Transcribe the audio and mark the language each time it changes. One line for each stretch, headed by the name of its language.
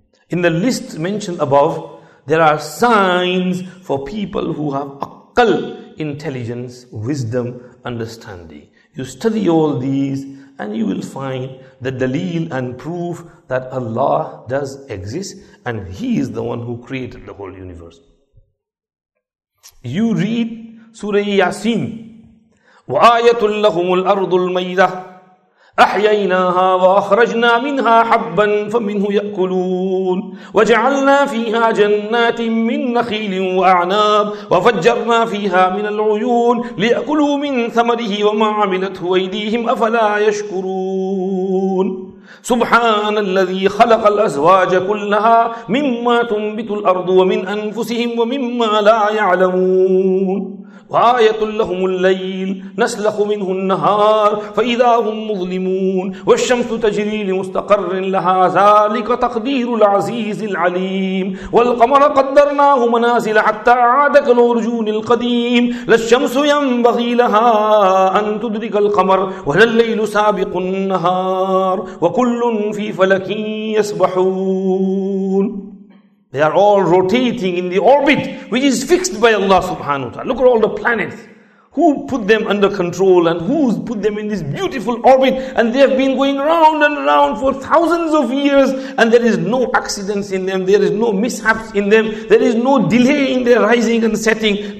English: In the list mentioned above, there are signs for people who have akal, intelligence, wisdom, understanding. You study all these and you will find the dalil and proof that Allah does exist and He is the one who created the whole universe. You read Surah Yasin.
Arabic: وَآيَةٌ لَهُمُ الْأَرْضُ الْمَيْتَةُ أَحْيَيْنَاهَا وَأَخْرَجْنَا مِنْهَا حَبًّا فَمِنْهُ يَأْكُلُونَ وَجَعَلْنَا فِيهَا جَنَّاتٍ مِنْ نَخِيلٍ وَأَعْنَابٍ وَفَجَّرْنَا فِيهَا مِنَ الْعُيُونِ لِيَأْكُلُوا مِنْ ثَمَرِهِ وَمَا عَمِلَتْهُ أَيْدِيهِمْ أَفَلَا يَشْكُرُونَ سبحان الذي خلق الأزواج كلها مما تنبت الأرض ومن أنفسهم ومما لا يعلمون وآية لهم الليل نسلخ منه النهار فإذا هم مظلمون والشمس تجري لمستقر لها ذلك تقدير العزيز العليم والقمر قدرناه منازل حتى عاد كالعرجون القديم لا الشمس ينبغي لها أن تدرك القمر ولا الليل سابق النهار وكل في فلك يسبحون.
English: They are all rotating in the orbit which is fixed by Allah subhanahu wa ta'ala. Look at all the planets. Who put them under control and who put them in this beautiful orbit? And they have been going round and round for thousands of years, and there is no accidents in them. There is no mishaps in them. There is no delay in their rising and setting.